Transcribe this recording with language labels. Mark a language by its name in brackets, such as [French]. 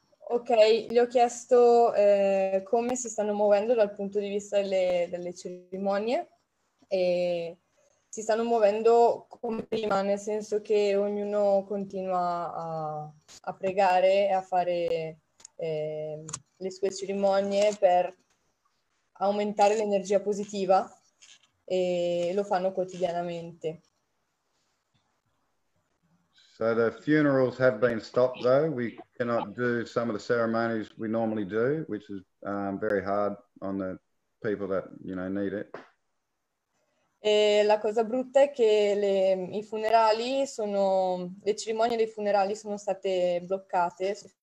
[Italian] Ok, gli ho chiesto come si stanno muovendo dal punto di vista delle cerimonie e si stanno muovendo come prima, nel senso che ognuno continua a pregare e a fare le sue cerimonie per aumentare l'energia positiva e lo fanno quotidianamente. [English] So the funerals have been stopped though. We cannot do some of the ceremonies we normally do, which is very hard on the people that, need it. [Italian] E la cosa brutta è che le cerimonie dei funerali sono state bloccate.